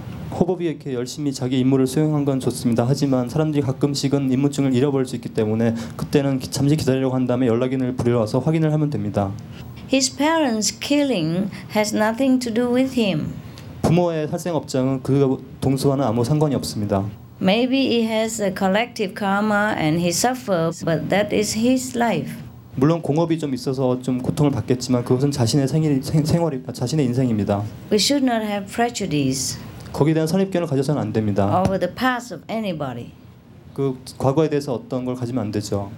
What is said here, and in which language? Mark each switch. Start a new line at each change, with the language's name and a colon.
Korean: 호법이 이렇게 열심히 자기 임무를 수행한 건 좋습니다. 하지만 사람들이 가끔씩은 임무증을 잃어버릴 수 있기 때문에 그때는 잠시 기다리려고 한 다음에 연락인을 부르러 와서 확인을 하면 됩니다.
English: His parents' killing has nothing to do with him.
Korean: 부모의 살생업장은 그 동수와는 아무 상관이 없습니다.
English: Maybe he has a collective karma and he suffers, but that is his life.
Korean: 물론 공업이 좀 있어서 좀 고통을 받겠지만 그것은 자신의 생활이다, 자신의 인생입니다.
English: We should not have prejudice.
Korean: 거기에 대한 선입견을 가져서는 안 됩니다.
English: Over the past of anybody.
Korean: 그 과거에 대해서 어떤 걸 가지면 안 되죠.